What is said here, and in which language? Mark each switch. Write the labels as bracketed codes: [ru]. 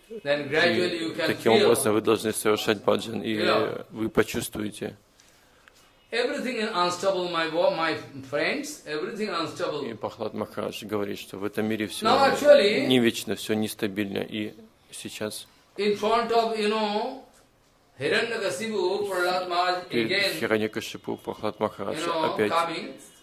[ru] таким образом вы должны совершать баджан, и вы почувствуете. [en] Everything is unstable, my friends. Everything unstable. [ru] И Прохлад Махарадж говорит, что в этом мире все actually, не вечно, все нестабильно, и сейчас. [en] In front of, you know, Hiranyakashipu, Prahlad Maharaj again. [ru] Перед Хираньякашипу Прохлад Махарадж опять coming.